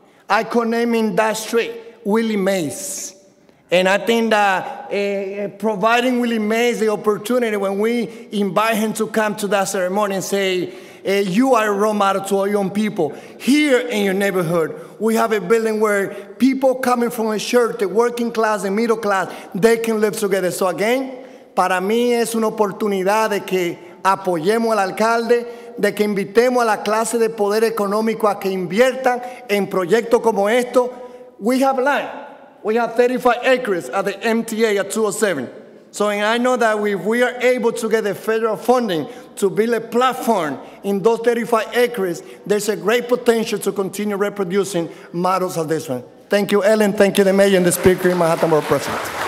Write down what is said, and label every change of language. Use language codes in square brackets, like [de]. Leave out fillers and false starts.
[en] I could name in that street Willie Mays. And I think that providing Willie Mays the opportunity when we invite him to come to that ceremony and say, you are a role model to our young people. Here in your neighborhood, we have a building where people coming from a shelter, working class and middle class, they can live together. [es] So again, para mí es una oportunidad de que apoyemos al alcalde, de que invitemos a la clase de poder económico a que inviertan en proyectos como esto. [en] We have land. We have 35 acres at the MTA at 207. So and I know that if we are able to get the federal funding to build a platform in those 35 acres, there's a great potential to continue reproducing models of this one. Thank you, Ellen. Thank you, the mayor and the speaker in Manhattan Borough President.